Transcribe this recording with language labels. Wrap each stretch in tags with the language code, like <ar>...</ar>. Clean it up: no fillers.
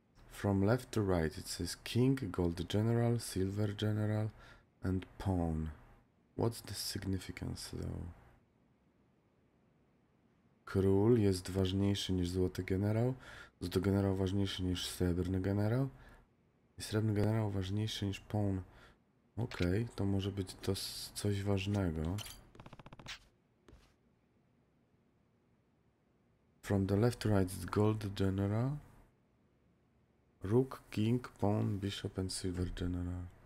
<en>From left to right, it says King, Gold General, Silver General, and Pawn. What's the significance, though?</en> <pl>Król jest ważniejszy niż Złoty Generał, Złoty Generał ważniejszy niż Srebrny Generał i Srebrny Generał ważniejszy niż Pawn. Okej, to może być to coś ważnego.</pl> <en>From the left to right, it's Gold General. Rook, King, Pawn, Bishop and Silver General.</en>